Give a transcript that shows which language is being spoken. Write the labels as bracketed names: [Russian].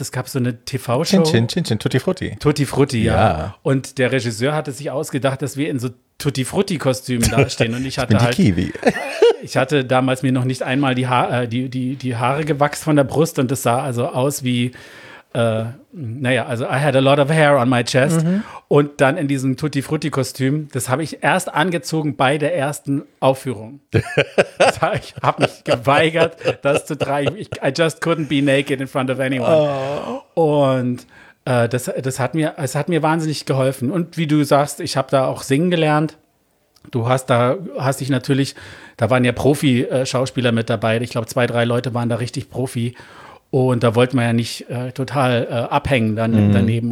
[German] Es gab so eine TV-Show. Chin-Chin, Tutti Frutti. Tutti Frutti, ja. Und der Regisseur hatte sich ausgedacht, dass wir in so Tutti Frutti-Kostümen dastehen und ich hatte ich bin halt. Die Kiwi. Ich hatte damals mir noch nicht einmal die Haare gewachsen von der Brust und das sah also aus wie. [English] I had a lot of hair on my chest. Mhm. [German] Und dann in diesem Tutti-Frutti-Kostüm, das habe ich erst angezogen bei der ersten Aufführung. Ich habe mich geweigert, das zu tragen. [English] I just couldn't be naked in front of anyone. Oh. [German] Und das hat mir wahnsinnig geholfen. Und wie du sagst, ich habe da auch singen gelernt. Du hast dich natürlich, da waren ja Profi-Schauspieler mit dabei. Ich glaube, 2, 3 Leute waren da richtig Profi. Oh, und da wollte man ja nicht total abhängen dann daneben.